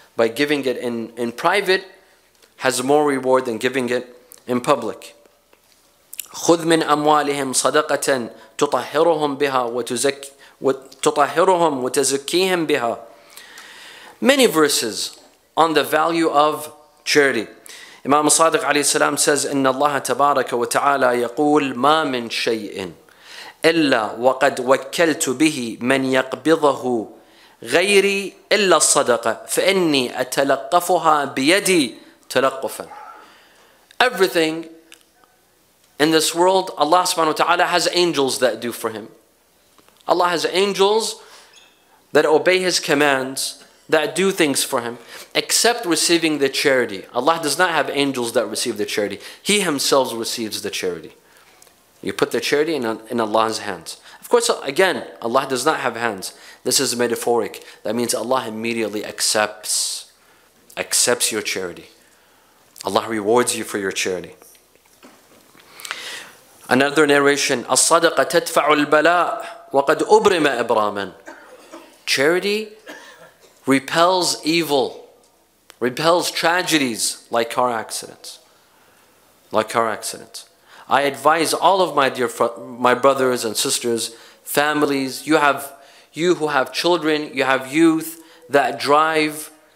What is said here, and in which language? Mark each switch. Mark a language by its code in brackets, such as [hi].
[en] By giving it in private has more reward than giving it in public. [ar] خُذْ مِنْ أَمْوَالِهِمْ صَدَقَةً تُطَهِّرُهُمْ بِهَا وَتُطَهِّرُهُمْ وَتَزُكِّيهِمْ بِهَا. [en] Many verses on the value of charity. Imam Sadiq alayhi salam says, [ar] إن الله تبارك وتعالى يقول ما من شيء إلا وقد وكلت به من يقبضه غيري إلا الصدقة فإني أتلقفها بيدي تلقفا. [en] Everything in this world, Allah subhanahu wa ta'ala has angels that do for him. Allah has angels that obey his commands, that do things for him, except receiving the charity. Allah does not have angels that receive the charity. He himself receives the charity. You put the charity in Allah's hands. Of course, again, Allah does not have hands. This is metaphoric. That means Allah immediately accepts your charity. Allah rewards you for your charity. Another narration, [ar] الصَّدَقَ تَدْفَعُ الْبَلَاءُ وَقَدْ أُبْرِمَ إِبْرَامًا. [en] Charity repels evil, repels tragedies like car accidents. Like car accidents. I advise all of my dear my brothers and sisters, families, you who have children, you have youth that drive,